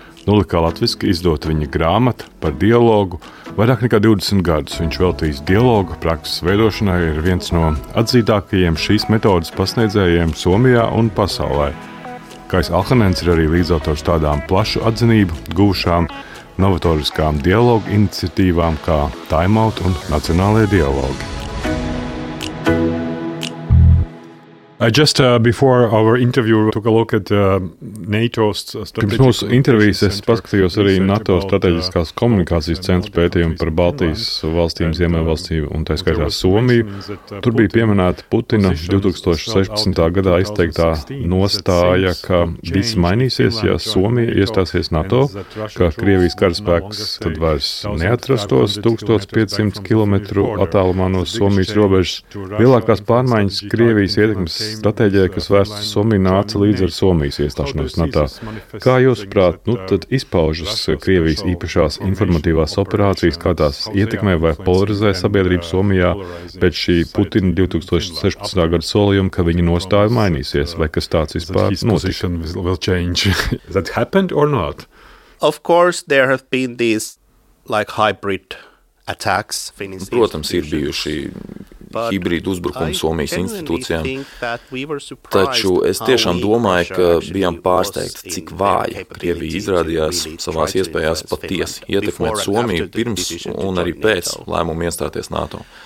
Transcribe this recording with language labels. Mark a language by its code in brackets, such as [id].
[lv] Nulikā latviski izdot viņa grāmata par dialogu. Vairāk nekā 20 gadus viņš veltījis dialogu prakses veidošanai, ir viens no atzītākajiem šīs metodas pasniedzējiem Somijā un pasaulē. Kais Alhanens ir arī līdzautors tādām plašu atzinību guvušām novatoriskām dialogu iniciatīvām kā Time Out un Nacionālie dialogi. [en] I just before our interview took a look at NATO's strategic. [lv] Pirms mūsu intervijas es paskatījos arī NATO strateģiskās komunikācijas centra pētījumu par Baltijas valstīm, Ziemeļvalstību un tā skaitā Somiju. Tur bija pieminēta Putina 2016. Gadā izteiktā nostāja, ka viss mainīsies, ja Somija iestāsies NATO, ka Krievijas karaspēks tad vairs neatrastos 1500 km attālumā no Somijas robežas. Lielākās pārmaiņas Krievijas ietekmes stratēģija, kas vērsts Somiju, nāca līdz ar Somijas iestāšanos NATO. Kā jūs prāt, tad izpaužas Krievijas īpašās informatīvās operācijas, kā tās ietekmē vai polarizē sabiedrību Somijā pēc šī Putina 2016. Gada solījuma, ka viņa nostāja mainīsies, vai kas tāds vispār notika? [en] Of course, there have been these like hybrid attacks. [lv] Protams, ir bijuši hibrīdu uzbrukumu Somijas institūcijām, taču es tiešām domāju, ka bijām pārsteigti, cik vāja Krievija izrādījās savās iespējās patiesi ietekmēt Somiju pirms un arī pēc lēmuma iestāties NATO.